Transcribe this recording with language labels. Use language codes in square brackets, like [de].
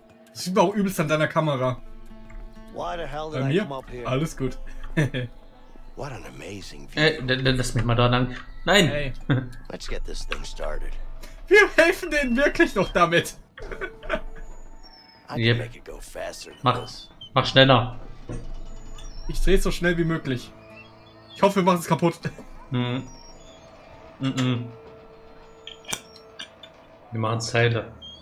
[de] Das sieht man auch übelst an deiner Kamera. [en] Why the hell did I come up here? [de] Alles gut. [en] What an amazing view. [de] Lass mich mal da lang. Nein! [en] Hey. Let's get this thing started. [de] Wir helfen denen wirklich noch damit! [en] I can make it go faster. [de] Mach schneller. Ich drehe es so schnell wie möglich. Ich hoffe, wir machen es kaputt. Wir machen Zeile.